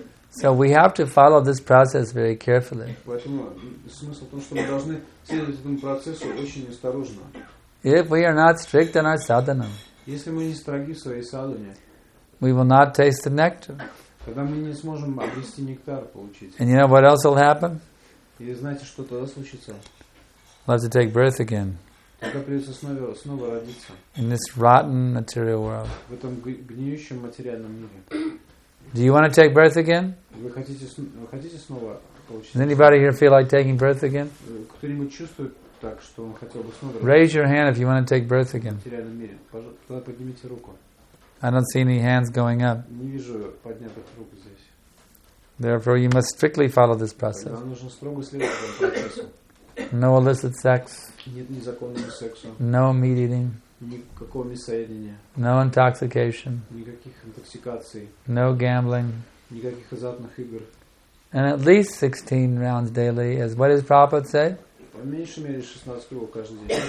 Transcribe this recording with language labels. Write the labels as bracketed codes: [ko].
[en] So we have to follow this process very carefully. [ru] Поэтому смысл в том, что мы должны следовать этому процессу очень осторожно. [en] If we are not strict in our sadhana. [ru] Если мы не строги в своей садхане. [en] We will not taste the nectar. [ru] Когда мы не сможем обрести нектар получить. [en] And you know what else will happen? [ru] И знаете, что тогда случится? [en] We'll have to take birth again. [ru] Тогда придется снова родиться. [en] In this rotten material world. [ru] В этом гниющем материальном мире. [en] Do you want to take birth again? [ru] Вы хотите снова получить? [en] Does anybody here feel like taking birth again? [ru] Кто-нибудь чувствует так, что он хотел бы снова родиться? [en] Raise your hand if you want to take birth again. [ru] В материальном мире. Тогда поднимите руку. [en] I don't see any hands going up. [ru] Не вижу поднятых рук здесь. [en] Therefore, you must strictly follow this process. [ru] Тогда нужно строго следовать этому процессу. [en] No illicit sex. [ru] Нет незаконного секса. [en] No meat eating. [ru] Никакого мясоедения. [en] No intoxication. [ru] Никаких интоксикаций. [en] No gambling. [ru] Никаких азартных игр. [en] And at least 16 rounds daily, as what does Prabhupada say? [ru] По меньшей мере 16 кругов каждый день.